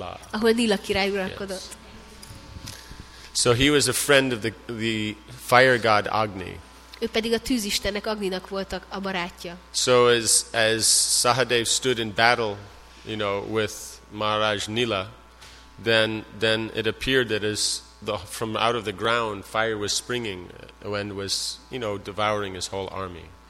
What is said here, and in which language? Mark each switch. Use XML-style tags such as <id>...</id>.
<hu>Ahol Nila király uralkodott.</hu> <en>So he was a friend of the fire god Agni.</en> <hu>Ő pedig a tűzistennek, Agninak volt a barátja.</hu> <en>So as Sahadev stood in battle, you know, with Maharaj Nila, then it appeared that as the from out of the ground fire was springing and was, you know, devouring his whole army.</en>